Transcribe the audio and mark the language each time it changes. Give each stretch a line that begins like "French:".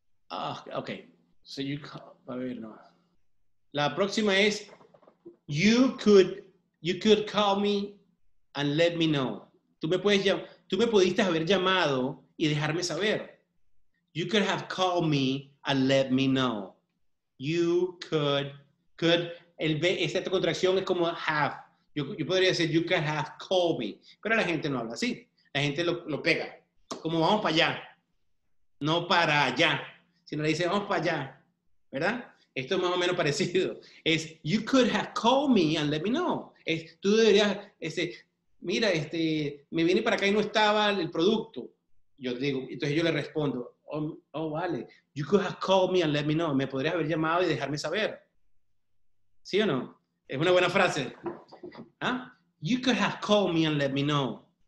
English: Ah, ok. So you...
Spanish: A ver, no. La próxima es
English: you could call me and let me know.
Spanish: Tú me pudiste haber llamado y dejarme saber.
English: You could have called me and let me know. You could
Spanish: el B, esta contracción es como have. Yo podría decir
English: you could have called me,
Spanish: pero la gente no habla así. La gente lo pega. Como vamos para allá. No para allá, sino le dice vamos para allá, ¿verdad? Esto es más o menos parecido.
English: Es you could have called me and let me know.
Spanish: Es tú deberías mira, me vine para acá y no estaba el producto. Yo digo, entonces yo le respondo, oh, vale.
English: You could have called me and let me know.
Spanish: Me podrías haber llamado y dejarme saber. ¿Sí o no? Es una buena frase. ¿Ah?
English: You could have called me and let me know.